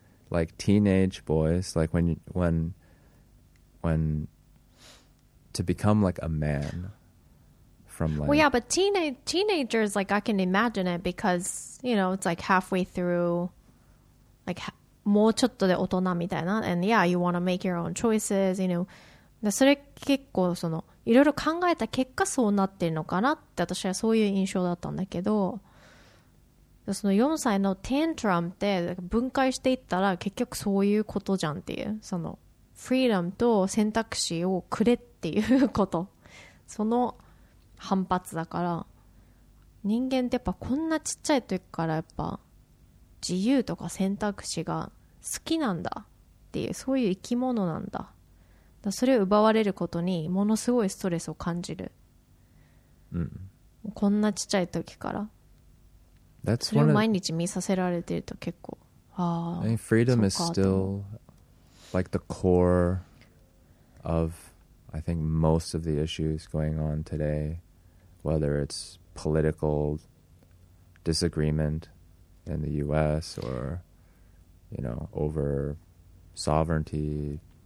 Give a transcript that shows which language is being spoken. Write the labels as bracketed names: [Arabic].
[English] Like teenage boys, like when to become like a man from like... Well, yeah, but teenagers, like I can imagine it because, you know, it's like halfway through, like [Japanese] もうちょっとで大人みたいな, [English] and yeah, you want to make your own choices, you know. [Japanese] それ結構その、いろいろ考えた結果そうなってるのかなって私はそういう印象だったんだけど、 その 4歳 のテントラムって分解していったら結局そういうことじゃんっていう、そのフリーダムと選択肢をくれっていうこと、その反発だから、人間ってやっぱこんなちっちゃい時からやっぱ自由とか選択肢が好きなんだっていう、そういう生き物なんだ。だそれを奪われることにものすごいストレスを感じる。うん、こんなちっちゃい時から。 [English] That's、 [Japanese] それを毎日見させられてると結構、ああ。 [English] I mean, freedom is still like the core of, I think, most of the issues going on today, whether it's political disagreement in the U.S. or, you know, over sovereignty.